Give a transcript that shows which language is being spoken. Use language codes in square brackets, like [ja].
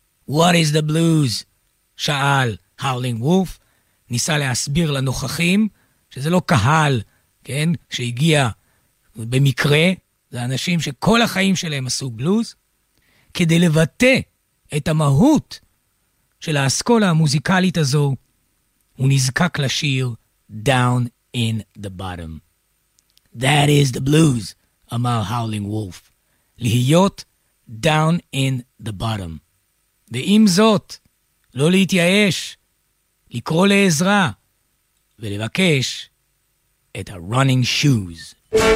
[en] What is the blues? [he] שאל הארלינג וולף, ניסה להסביר לנוכחים, שזה לא קהל, כן, שהגיע במקרה, זה אנשים שכל החיים שלהם עשו בלוז, כדי לבטא את המהות של האסכולה המוזיקלית הזו, הוא נזקק לשיר Down in the Bottom. [en] That is the blues, [he] אמר הארלינג וולף. להיות Down in the Bottom. ועם זאת, לא להתייאש, לקרוא לעזרה, ולבקש את ה-Running Shoes.